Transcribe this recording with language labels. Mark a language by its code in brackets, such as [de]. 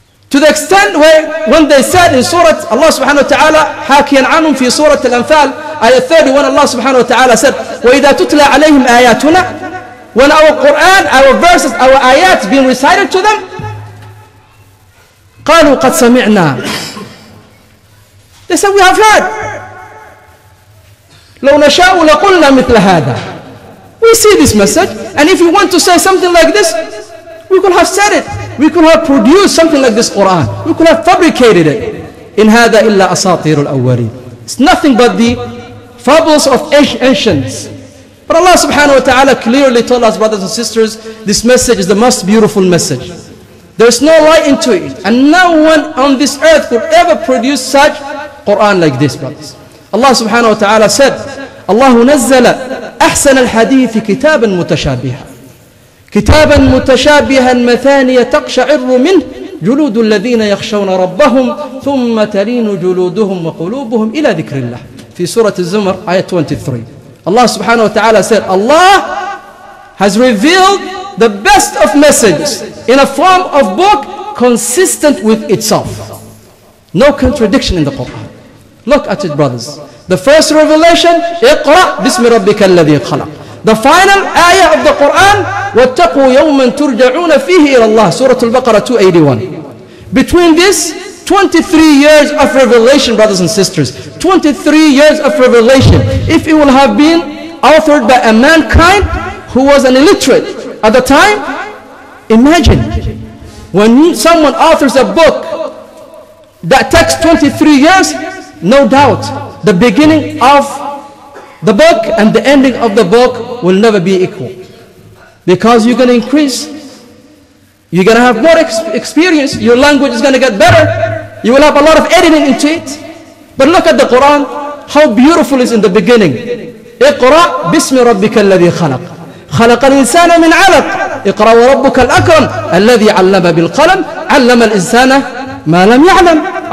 [en] To the extent where when they said in Surah Allah subhanahu wa ta'ala [ar] حَاكِيًا عَنْهُمْ فِي [en] Surah Al-Anfal Ayah 30, when Allah subhanahu wa ta'ala said [ar] وَإِذَا تُتْلَى عَلَيْهِمْ آيَاتُنَا, [en] when our Quran, our verses, our ayat being recited to them, [ar] قَالُوا قَدْ سَمِعْنَا, [en] they said we have heard, [ar] لَوْ نَشَاءُ لَقُلْنَا مِثْلَ هَذَا, [en] we see this message, and if you want to say something like this, we could have said it. We could have produced something like this Quran. We could have fabricated it. [ar] In هذا إلا أساطير الأولين. It's nothing but the fables of ancients. [en] But Allah subhanahu wa ta'ala clearly told us, brothers and sisters, this message is the most beautiful message. There's no lie into it. And no one on this earth could ever produce such Quran like this, brothers. Allah subhanahu wa ta'ala said, [ar] الله نزل أحسن الحديث كتابا متشابها. كتابا متشابها مثانية تقشعر منه جلود الذين يخشون ربهم ثم تلين جلودهم وقلوبهم إلى ذكر الله. في سورة الزمر آية 23. [en] Allah subhanahu wa ta'ala said, Allah has revealed the best of messages in a form of book consistent with itself. No contradiction in the Quran. Look at it, brothers. The first revelation, [ar] اقرأ بسم ربك الذي خلق. [en] The final ayah of the Quran, [ar] وَاتَّقُوا يَوْمًا تُرْجَعُونَ فِيهِ إِلَى اللَّهِ سورة البقرة 281. [en] Between this, 23 years of revelation, brothers and sisters. 23 years of revelation. If it would have been authored by a mankind who was an illiterate at the time, imagine when someone authors a book that takes 23 years, no doubt the beginning of the book and the ending of the book will never be equal. Because you're going to increase, you're going to have more experience, your language is going to get better, you will have a lot of editing into it. But look at the Quran, how beautiful it is in the beginning. [ar] اقرأ بسم ربك الذي خلق. خلق الإنسان من علق. اقرأ وربك الأكرم الذي علم بالقلم علم الإنسان ما لم يعلم.